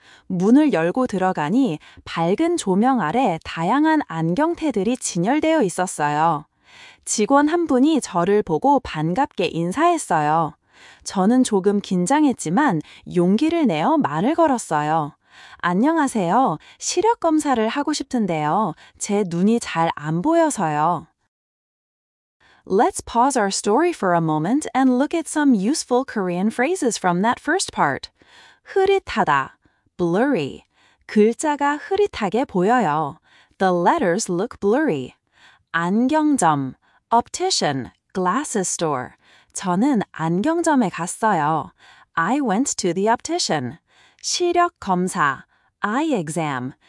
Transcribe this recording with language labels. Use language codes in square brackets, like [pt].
[ko] 문을 열고 들어가니 밝은 조명 아래 다양한 안경테들이 진열되어 있었어요. 직원 한 분이 저를 보고 반갑게 인사했어요. 저는 조금 긴장했지만 용기를 내어 말을 걸었어요. 안녕하세요. 시력 검사를 하고 싶은데요. 제 눈이 잘 안 보여서요. [en] Let's pause our story for a moment and look at some useful Korean phrases from that first part. [ko] 흐릿하다, blurry. 글자가 흐릿하게 보여요. [en] The letters look blurry. 안경점, optician, glasses store. [ko] 저는 안경점에 갔어요. [en] I went to the optician. [ko] 시력 검사, eye exam.